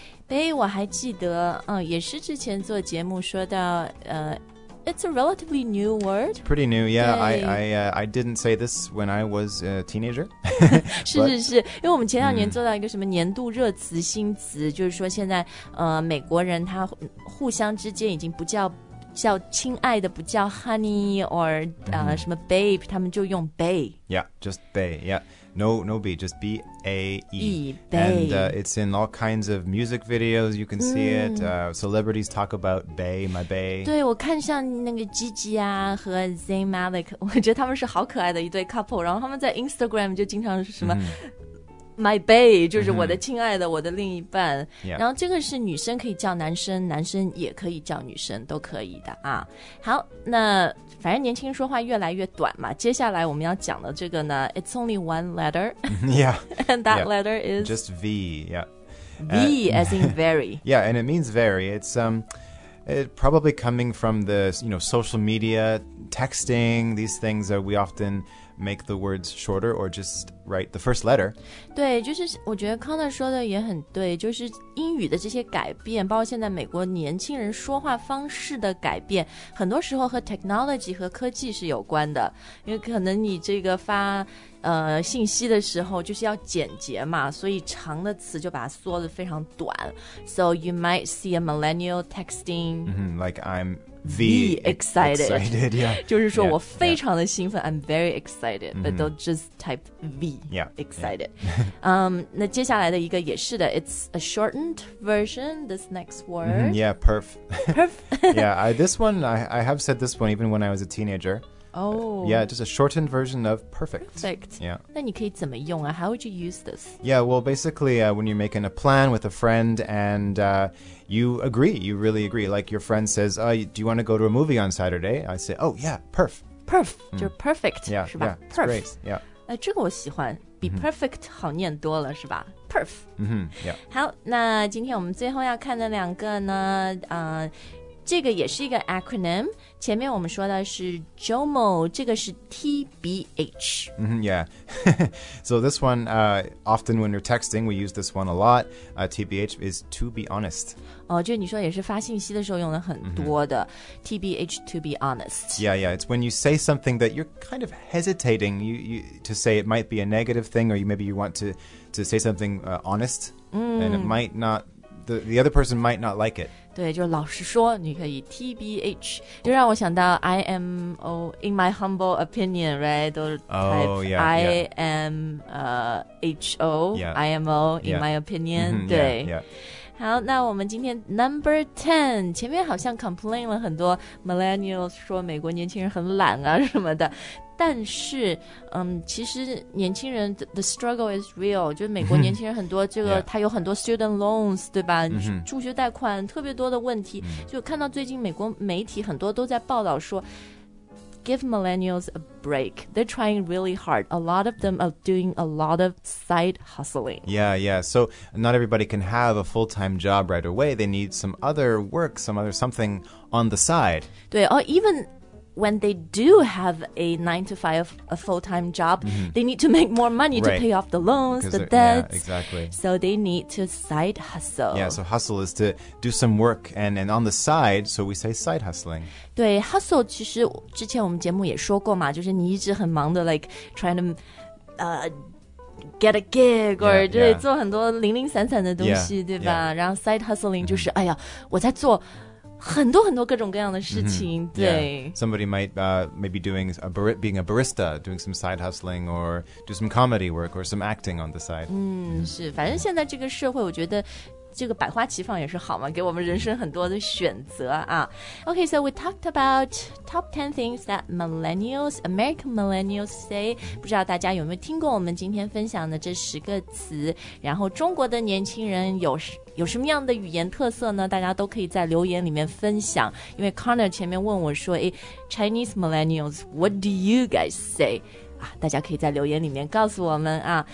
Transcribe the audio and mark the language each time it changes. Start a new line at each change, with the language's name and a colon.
Chinese: Bae, 我还记得，也是之前做节目说到，
English: It's a relatively new word. It's pretty new, yeah. I didn't say this when I was a teenager.
Chinese: 是是是，因为我们前两年做到一个什么年度热词新词，就是说现在美国人他互相之间已经不叫亲爱的，不叫
English: honey or、
Chinese: mm-hmm. 什么 babe， 他们就用 bae.
English: Yeah, just bae. Yeah, no b, just b a e. Bae. And、it's in all kinds of music videos. You can see it.、Celebrities talk about bae, my bae.
Chinese: 对，我看像那个 Gigi 啊和 Zayn Malik， 我觉得他们是好可爱的一对 couple。然后他们在 Instagram 就经常是什么。Mm-hmm. my babe 就是我的亲爱的、mm-hmm. 我的另一半、
English: yeah.
Chinese: 然后这个是女生可以叫男生男生也可以叫女生都可以的啊。好那反正年轻人说话越来越短嘛接下来我们要讲的这个呢
English: It's only one letter Yeah And that、yeah. letter is Just V Yeah V as in very Yeah and it means very It's It probably coming from the, you know, social media, texting, these things that we often make the words shorter or just write the first letter.
Chinese: 对就是我觉得 Connor 说的也很对就是英语的这些改变包括现在美国年轻人说话方式的改变很多时候和 technology 和科技是有关的因为可能你这个发信息的时候就是要简洁嘛所以长的词就把它缩得非常短
English: So you might see a millennial texting、 mm-hmm, Like I'm V excited, excited、yeah.
Chinese: 就是说我非常的兴奋、yeah.
English: I'm very excited、
Chinese: mm-hmm.
English: But they'll just type V yeah. excited yeah.
Chinese: 那接下来的一个也是的
English: It's a shortened version This next word、 mm-hmm. Yeah, perf Perf Yeah, this one I have said this one even when I was a teenager Oh. Yeah, just a shortened version of perfect. Perfect. Yeah.
Chinese: 那你可以怎么用啊?
English: How would you use this? Yeah, well, basically, when you're making a plan with a friend and you agree, you really agree. Like your friend says, do you want to go to a movie on Saturday? I say, oh, yeah, perf.
Chinese: Perf,、mm. 就是 perfect,
English: yeah,
Chinese: 是吧?
English: Yeah, perf. It's great, yeah.
Chinese: 这个我喜欢比 perfect 好念多了、mm-hmm. 是吧 perf、
English: mm-hmm. yeah.
Chinese: 好那今天我们最后要看的两个呢这个也是一个 acronym 前面我们说的是 JOMO 这个是 TBH、
English: mm-hmm, Yeah So this one often when you're texting We use this one a lot TBH is to be honest
Chinese: 哦，就你说也是发信息的时候用的很多的、mm-hmm.
English: TBH to be honest Yeah yeah It's when you say something that you're kind of hesitating you To say it might be a negative thing Or maybe you want to say something honest、 mm. And it might not the other person might not like it
Chinese: 对就老实说你可以 TBH 就让我想到
English: I am in my humble opinion right
Chinese: 都是
English: type、I am HO yeah, IMO in、 yeah. my opinion、mm-hmm, 对 yeah,
Chinese: yeah. 好那我们今天 number 10前面好像 complain 了很多 millennials 说美国年轻人很懒啊什么的但是、其实年轻人
English: the struggle is real
Chinese: 就是美国年轻人很多这个、
English: yeah.
Chinese: 他有很多 student loans 对吧、
English: mm-hmm.
Chinese: 助学贷款特别多的问题、
English: mm-hmm.
Chinese: 就看到最近美国媒体很多都在报道说
English: give millennials a break they're trying really hard a lot of them are doing a lot of side hustling yeah yeah so not everybody can have a full-time job right away they need some other work some other something on the side 对、oh, evenWhen they do have a 9-to-5, a full-time job,、 mm-hmm. they need to make more money、 right. to pay off the loans, the debts. Yeah, exactly. So they need to side hustle. Yeah, so hustle is to do some work and on the side, so we say side hustling.
Chinese: 对 ,hustle 其实之前我们节目也说过嘛就是你一直很忙的
English: like trying to、get a gig or yeah, yeah.
Chinese: 对做很多零零散散的东西
English: yeah,
Chinese: 对吧、
English: yeah.
Chinese: 然后 side hustling 就是、mm-hmm. 哎呀我在做很多很多各种各样的事情、
English: mm-hmm.
Chinese: 对、
English: yeah. Somebody might maybe doing a being a barista doing some side hustling or do some comedy work or some acting on the side 嗯、mm-hmm.
Chinese: 是反正现在这个社会我觉得这个百花齐放也是好嘛给我们人生很多的选择啊
English: OK so we talked about top 10 things that millennials American millennials say
Chinese: 不知道大家有没有听过我们今天分享的这十个词然后中国的年轻人有什么样的语言特色呢大家都可以在留言里面分享因为 Connor 前面问我说
English: Chinese millennials what do you guys say、
Chinese: 啊、大家可以在留言里面告诉我们啊。